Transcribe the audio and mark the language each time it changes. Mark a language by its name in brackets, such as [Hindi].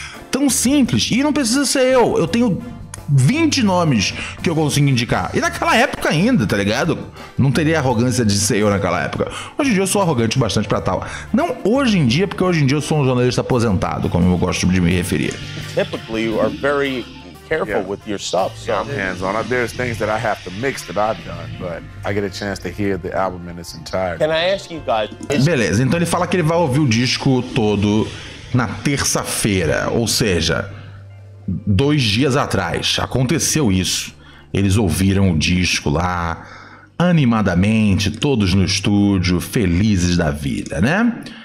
[Portuguese] Tão simples. E não precisa ser eu tenho 20 nomes que eu consigo indicar. E naquela época ainda, tá ligado? Não teria arrogância de ser eu naquela época. Hoje em dia eu sou arrogante bastante pra tal. Não hoje em dia, porque hoje em dia eu sou um jornalista aposentado, como eu gosto de me referir. [English] Typically, you are very careful with your stuff. So. Yeah, I'm hands-on. There's things that I have to mix that I've done, but I get a chance to hear the album in its entirety. Can I ask you guys? [Portuguese] Beleza, então ele fala que ele vai ouvir o disco todo na terça-feira, ou seja, 2 dias atrás, aconteceu isso. Eles ouviram o disco lá, animadamente, todos no estúdio, felizes da vida, né?